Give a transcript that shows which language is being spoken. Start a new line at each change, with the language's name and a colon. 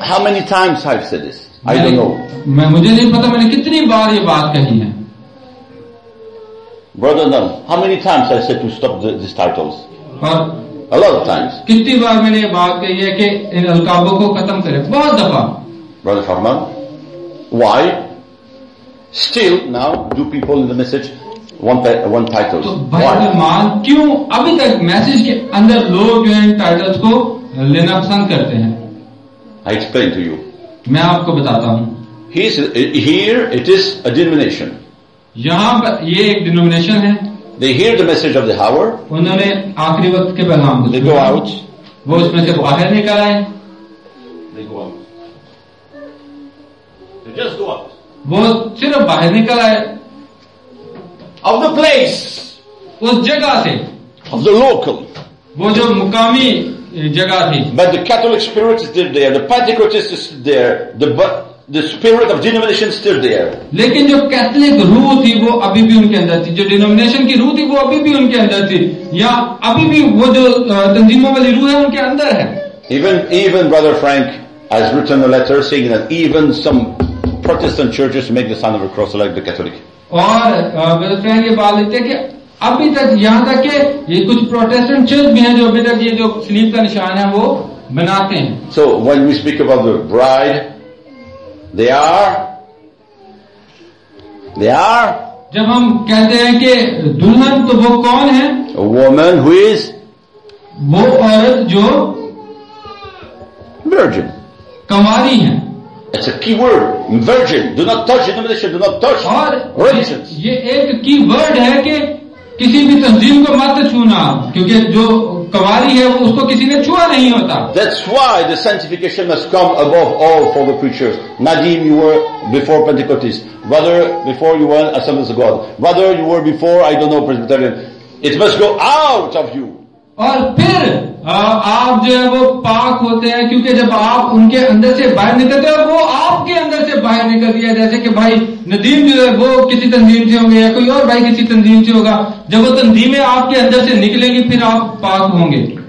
English: How many times I have said this, I don't know.
Hindi: मैं मुझे नहीं पता मैंने कितनी बार ये बात कही है.
English: Brother नम, how many times I said to stop this titles, a lot of times.
Hindi: कितनी बार मैंने ये बात कही है कि इन अलकाबों को खत्म करें, बहुत दफा.
English: Brother Farman, why still now do people in the message want titles?
Hindi: Brother Farman, क्यों अभी तक message के अंदर लोग जो हैं titles को लेना पसंद करते हैं?
English: I explain to you.
Hindi: मैं आपको बताता हूँ.
English: Here it is a denomination.
Hindi: यहाँ पर ये एक denomination है.
English: they hear the message of the hour.
Hindi: उन्होंने आखिरी वक्त के पैगाम को.
English: They go out.
Hindi: वो उसमें से बाहर निकल आए.
English: They go out. They just go out.
Hindi: वो सिर्फ बाहर निकल आए.
English: Of the place.
Hindi: उस जगह से.
English: Of the local.
Hindi: वो जो मुकामी जगह थी.
English: But the Catholic spirit is still there. The Pentecostist is there. The spirit of denomination still there.
Hindi: लेकिन जो कैथोलिक रूह थी वो अभी भी उनके अंदर थी. जो डिनोमिनेशन की रूह थी वो अभी भी उनके अंदर थी. या अभी भी वो जो तंजीमों वाली रूह है उनके अंदर है.
English: Even Brother Frank has written a letter saying that even some Protestant churches make the sign of a cross like the Catholic.
Hindi: और Brother Frank ये बात लिखते हैं कि अभी तक यहाँ तक के ये कुछ प्रोटेस्टेंट चर्च भी हैं जो अभी तक ये जो स्लीप का निशान है वो बनाते हैं.
English: So when we speak about the bride, They are.
Hindi: जब हम कहते हैं कि दुल्हन तो वो कौन है?
English: A woman who is.
Hindi: वो औरत जो.
English: Virgin.
Hindi: कंवारी है.
English: It's a key word, virgin. Do not touch denomination. Do not touch religions.
Hindi: ये एक key word है कि किसी भी तंजीम को मत छूना, क्योंकि जो कवारी है वो उसको किसी ने छुआ नहीं होता.
English: That's why the sanctification must come above all for the preachers. Nadim, you were before Pentecostist. Brother, before you were Assemblies of God. Brother, you were before, I don't know, Presbyterian. It must go out of you.
Hindi: और फिर आप जो है वो पाक होते हैं, क्योंकि जब आप उनके अंदर से बाहर निकलते हो वो आपके अंदर से बाहर निकल दिया. जैसे कि भाई नदीम जो है वो किसी तंजीम से होंगे या कोई और भाई किसी तंजीम से होगा, जब वो तंजीमें आपके अंदर से निकलेंगी फिर आप पाक होंगे.